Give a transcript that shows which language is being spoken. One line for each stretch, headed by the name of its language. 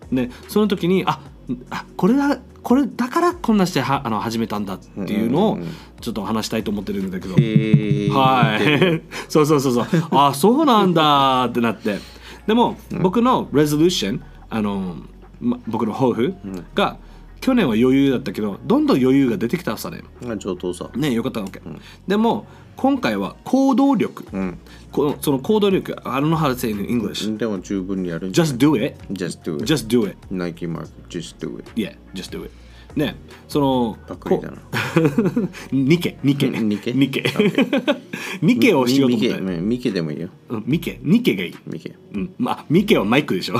Japanese: でその時に、あ、これだ、これだからこんなしてあの始めたんだっていうのをちょっと話したいと思ってるんだけど、はい、そうそうそうそう、あ、そうなんだってなって、でも僕のレゾリューション、あの僕の抱負が、うん、去年は余裕だったけど、どんどん余裕が出てきたさね、上等さね、よかったわけ、うん、でも今回は行動力、うん、その行動力、
English: I don't know how to say in English、
Japanese: でも十分にやる、
English: Just do it、 Just do it、 Just do it、 Nike mark、 Just do it、 Yeah、 Just do it、 ね、その
Japanese: パクリだな、ニケ、ニケ、ニケ、ニケ、ニケをしようと思った、ミケでもいいよ、ミケ、ニケがいい、ミケ、うん、まあ、ミケはマイクでしょ、